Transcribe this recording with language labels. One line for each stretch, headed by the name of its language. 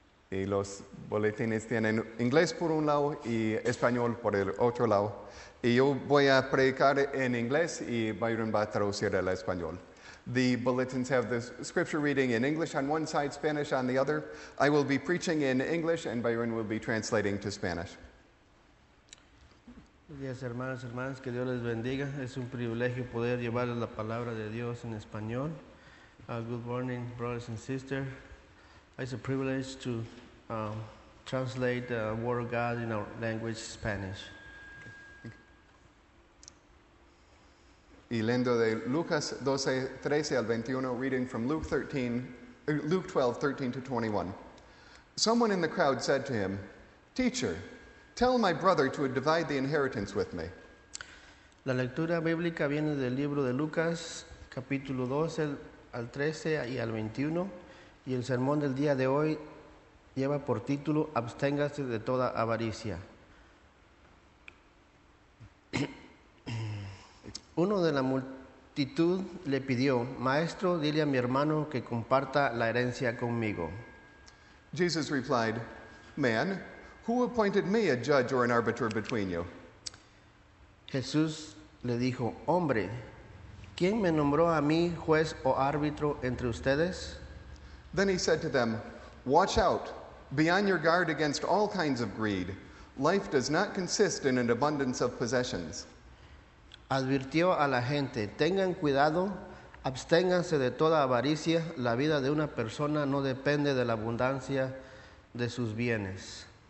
Spanish: Y los boletines tienen inglés por un lado y español por el otro lado. Y yo voy a predicar en inglés y Byron va a traducir al español.
English: The bulletins have the scripture reading in English on one side, Spanish on the other. I will be preaching in English and Byron will be translating to Spanish.
Spanish: Buenos días, hermanos y hermanas, que Dios les bendiga. Es un privilegio poder llevar la palabra de Dios en español.
English: Good morning, brothers and sisters. It's a privilege to translate the word of God in our language, Spanish.
Spanish: Y leyendo de Lucas 12, 13 al 21,
English: reading from Luke 12, 13 to 21. Someone in the crowd said to him, Teacher, tell my brother to divide the inheritance with me.
Spanish: La lectura bíblica viene del libro de Lucas, capítulo 12 al 13 y al 21, y el sermón del día de hoy lleva por título Absténgase de toda avaricia. Uno de la multitud le pidió, Maestro, dile a mi hermano que comparta la herencia conmigo.
English: Jesus replied, Man, who appointed me a judge or an arbiter between you?
Spanish: Jesús le dijo, Hombre, ¿quién me nombró a mí juez o árbitro entre ustedes?
English: Then he said to them, Watch out, be on your guard against all kinds of greed. Life does not consist in an abundance of possessions.
Spanish: Advirtió a la gente, Tengan cuidado, absténganse de toda avaricia. La vida de una persona no depende de la abundancia de sus bienes.